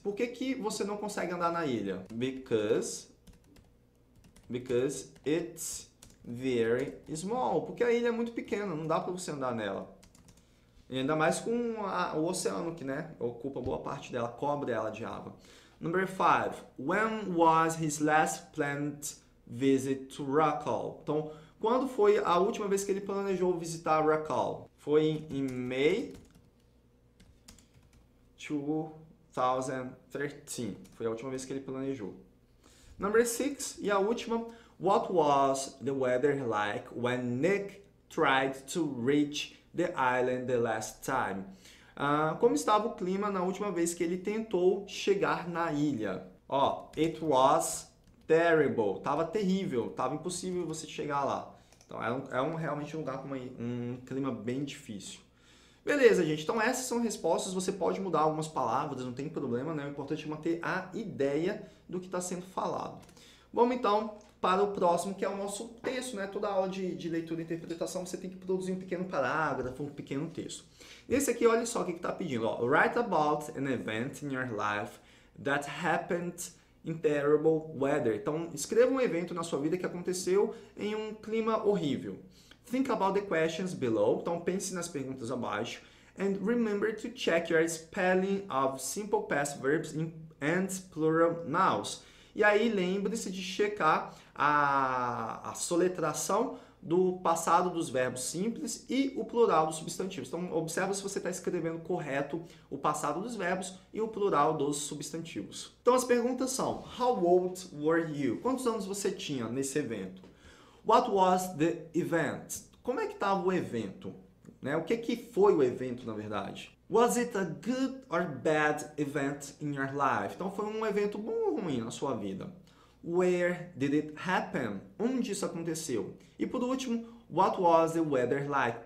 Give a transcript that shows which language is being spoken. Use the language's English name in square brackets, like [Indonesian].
[Portuguese] Por que que você não consegue andar na ilha? [English] Because it's very small. [Portuguese] Porque a ilha é muito pequena, não dá para você andar nela. E ainda mais com o oceano que, né, ocupa boa parte dela, cobre ela de água. [English] Number 5. When was his last planned visit to Rockall? [Portuguese] Então, quando foi a última vez que ele planejou visitar Rockall? Foi em May 2013. Foi a última vez que ele planejou. [English] Number 6, [Portuguese] e a última, [English] what was the weather like when Nick tried to reach the island the last time? [Portuguese] Como estava o clima na última vez que ele tentou chegar na ilha? [English] It was terrible. [Portuguese] Tava terrível, tava impossível você chegar lá. Então, realmente um lugar com um clima bem difícil. Beleza, gente. Então, essas são respostas. Você pode mudar algumas palavras, não tem problema, né? O importante é manter a ideia do que está sendo falado. Vamos, então, para o próximo, que é o nosso texto, né? Toda aula de leitura e interpretação, você tem que produzir um pequeno parágrafo, um pequeno texto. Esse aqui, olha só o que está pedindo. [English] Write about an event in your life that happened in terrible weather. [Portuguese] Então, escreva um evento na sua vida que aconteceu em um clima horrível. [English] Think about the questions below. [Portuguese] Então, pense nas perguntas abaixo. [English] And remember to check your spelling of simple past verbs and plural nouns. [Portuguese] E aí, lembre-se de checar a soletração do passado dos verbos simples e o plural dos substantivos. Então, observa se você está escrevendo correto o passado dos verbos e o plural dos substantivos. Então, as perguntas são: [English] how old were you? [Portuguese] Quantos anos você tinha nesse evento? [English] What was the event? [Portuguese] Como é que estava o evento? Né? O que foi o evento, na verdade? [English] Was it a good or bad event in your life? [Portuguese] Então, foi um evento bom ou ruim na sua vida? [English] Where did it happen? [Portuguese] Onde isso aconteceu? E, por último, [English] what was the weather like?